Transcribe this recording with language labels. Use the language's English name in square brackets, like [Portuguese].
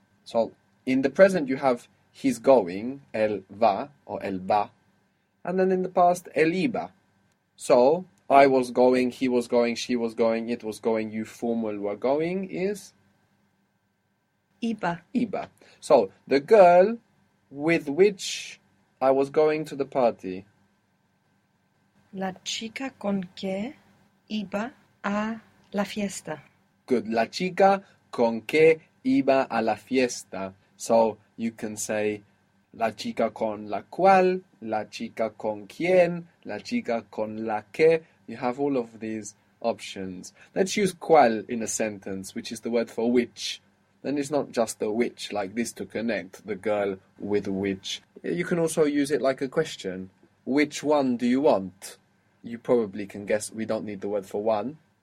[English] So in the present, you have he's going, [Spanish] el va [English] or el ba, and then in the past, [Spanish] el iba. [English] So, I was going, he was going, she was going, it was going, you formal were going is [Spanish] Iba. Iba. [English] So, the girl with which I was going to the party. [Spanish] La chica con que iba a la fiesta. [English] Good. [Spanish] La chica con que iba a la fiesta. [English] So, you can say. [Spanish] La chica con la cual, la chica con quien, la chica con la que. [English] You have all of these options. Let's use cual in a sentence, which is the word for which. Then it's not just the which like this to connect the girl with which. You can also use it like a question. Which one do you want? You probably can guess we don't need the word for one.